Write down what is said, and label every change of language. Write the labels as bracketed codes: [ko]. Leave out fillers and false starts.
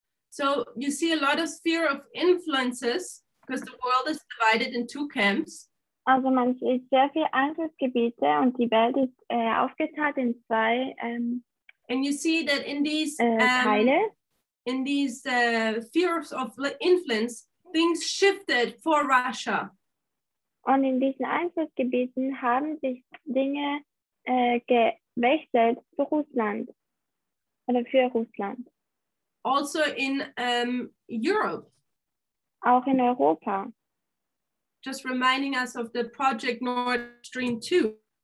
[en] So you see a lot of sphere of influences because the world is divided in two camps. [de] Also man sieht sehr viele Einflussgebiete und die Welt ist aufgeteilt in zwei [en] and you see that in these [de] Teile. [en] In these spheres of influence things shifted for Russia. [de] Und in diesen Einflussgebieten haben sich Dinge gewechselt für Russland oder für Russland. [en] Also in Europe. [de] Auch in Europa. [en] Just reminding us of the project Nord Stream 2.